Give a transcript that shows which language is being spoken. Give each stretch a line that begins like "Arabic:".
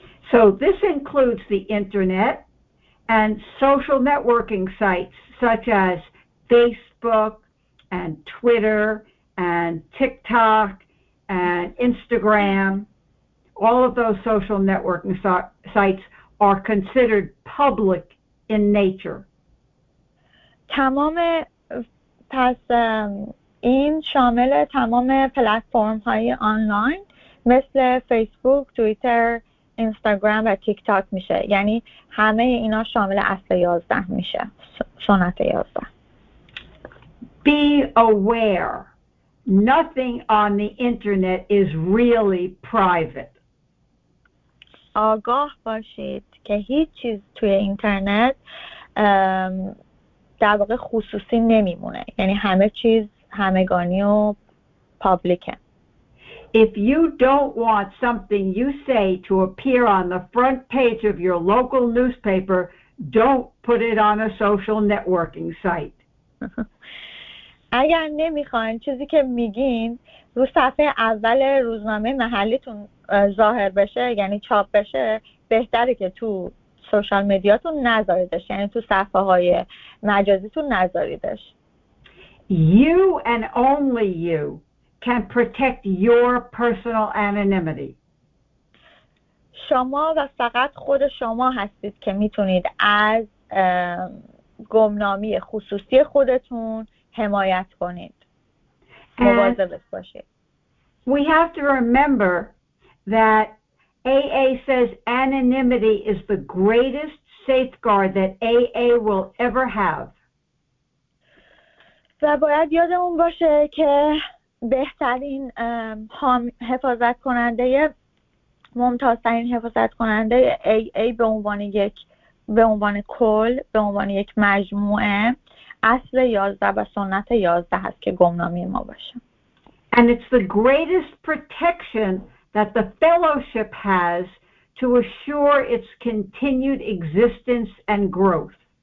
English: So this includes the internet and social networking sites such as Facebook and Twitter and TikTok and Instagram, all of those social networking sites are considered public in nature.
Persian: تمام پس این شامل تمام پلتفرم های آنلاین مثل فیسبوک، توییتر، اینستاگرام و تیک تاک میشه. یعنی همه اینا شامل اصل 11 میشه. سنت 11.
English: Be aware. Nothing on the internet is really private.
Persian: آگاه باشید که هیچ چیز توی اینترنت در واقع خصوصی نمیمونه. یعنی همه چیز همگانی و پابلیکه.
English: If you don't want something you say to appear on the front page of your local newspaper, don't put it on a social networking site.
Persian: اگر نمیخواین چیزی که میگین رو صفحه اول روزنامه محلیتون ظاهر بشه، یعنی چاپ بشه، بهتره که تو سوشال مدیاتون نذاریدش، یعنی تو صفحه های مجازیتون نذاریدش.
English: You and only you can protect your personal anonymity.
Persian: شما و فقط خود شما هستید که میتونید از گمنامی خصوصی خودتون حمایت کنید. مواظبش باشید.
English: We have to remember that AA says anonymity is the greatest safeguard that AA will ever have.
Persian: و باید یادمون باشه که بهترین حفاظت کننده، ممتازترین حفاظت کننده AA به عنوان یک، به عنوان کل، به عنوان یک مجموعه، اصل 11 و سنت 11 هست که گمنامی ما باشه.
English: And it's the greatest protection that the fellowship has to assure its continued existence and growth.